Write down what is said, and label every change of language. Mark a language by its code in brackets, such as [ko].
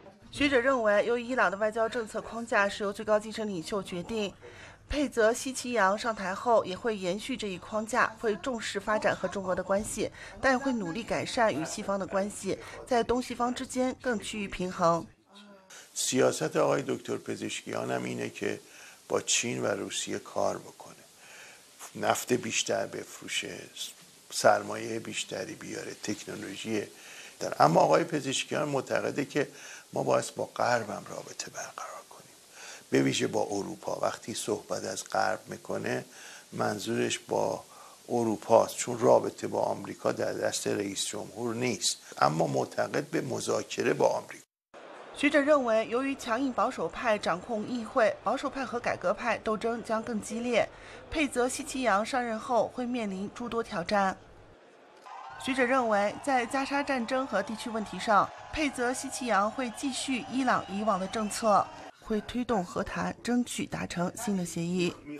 [zh] 学者认为，由于伊朗的外交政策框架是由最高精神领袖决定，佩泽西奇扬上台后也会延续这一框架，会重视发展和中国的关系，但会努力改善与西方的关系，在东西方之间更趋于平衡。 [fa] سیاست آقای دکتر پزشکیان هم اینه که با چین و روسیه کار بکنه، نفت بیشتر بفروشه، سرمایه بیشتری بیاره، تکنولوژی در. اما آقای پزشکیان معتقده که ما باید با غرب هم رابطه برقرار کنیم، به ویژه با اروپا. وقتی صحبت از غرب میکنه منظورش با اروپا است، چون رابطه با آمریکا در دست رئیس جمهور نیست، اما معتقد به مذاکره با آمریکا. [zh] 学者认为，由于强硬保守派掌控议会，保守派和改革派斗争将更激烈，佩泽西奇扬上任后会面临诸多挑战。学者认为，在加沙战争和地区问题上，佩泽西奇扬会继续伊朗以往的政策，会推动和谈，争取达成新的协议。